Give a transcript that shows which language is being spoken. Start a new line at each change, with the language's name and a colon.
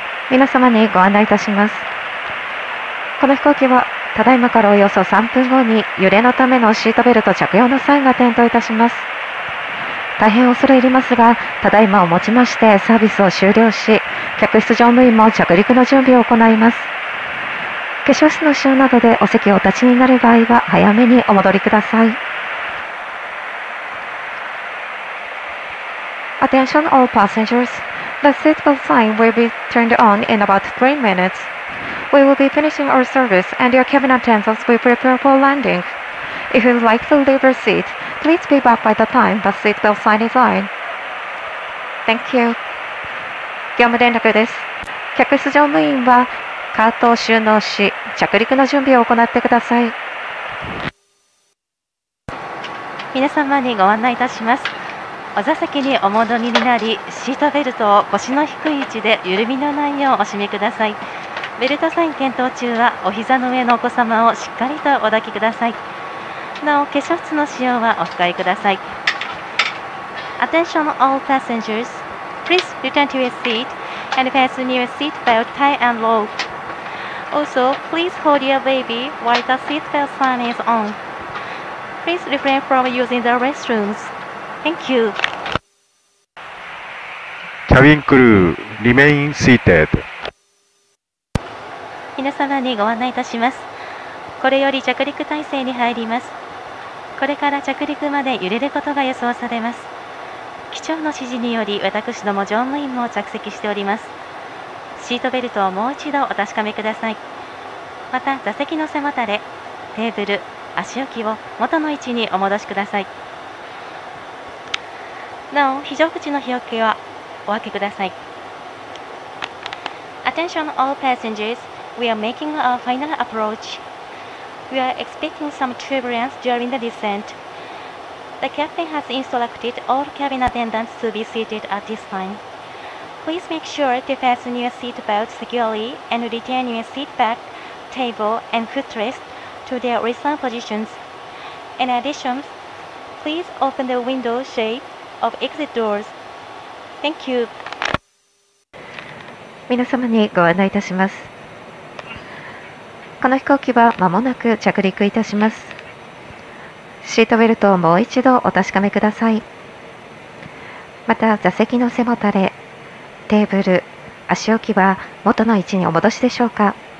Japanese: 皆様にご案内いたします。この飛行機は、ただいまからおよそ3分後に揺れのためのシートベルト着用のサインが点灯いたします。大変恐れ入りますが、ただいまをもちましてサービスを終了し、客室乗務員も着陸の準備を行います。化粧室の使用などでお席をお立ちになる場合は早めにお戻りください。
English: Attention all passengers, the seatbelt sign will be turned on in about 3 minutesWe will be finishing our service and your cabin attendants will prepare for landing. If you'd like to leave your seat, please be back by the time the seatbelt sign is on. Thank you.
Japanese: 業務連絡です。客室乗務員はカートを収納し着陸の準備を行ってください。皆様にご案内いたします。お座席にお戻りになり、シートベルトを腰の低い位置で緩みのないようお締めください。ベルトサイン検討中はお膝の上のお子様をしっかりとお抱きください。なお化粧室の使用はお控えください。
English: Attention all passengers, please return to your seat and fasten your seat belt tight and low. Also, please hold your baby while the seat belt sign is on. Please refrain from using the restroomsThank you. Cabin crew, remain seated.
Japanese: 皆様にご案内いたします。これより着陸態勢に入ります。これから着陸まで揺れることが予想されます。機長の指示により、私ども乗務員も着席しております。シートベルトをもう一度お確かめください。また、座席の背もたれ、テーブル、足置きを元の位置にお戻しください。なお、非常口の日よけはお開けください。
English: Attention all passengers, we are making our final approach. We are expecting some turbulence during the descent. The captain has instructed all cabin attendants to be seated at this time. Please make sure to fasten your seat belt securely and retain your seat back, table, and footrest to their original positions. In addition, please open the window shadeOf exit doors. Thank you.
Japanese: 皆様にご案内いたします。この飛行機は間もなく着陸いたします。シートベルトをもう一度お確かめください。また座席の背もたれ、テーブル、足置きは元の位置にお戻しでしょうか。